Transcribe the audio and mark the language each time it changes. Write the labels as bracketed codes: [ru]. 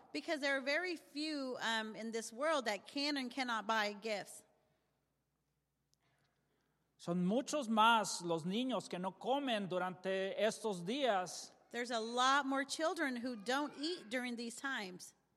[en] Because there are very few in this world that can and cannot buy gifts. [es] Son muchos más los niños que no comen durante estos días. [en] There's a lot more children who don't eat during these times.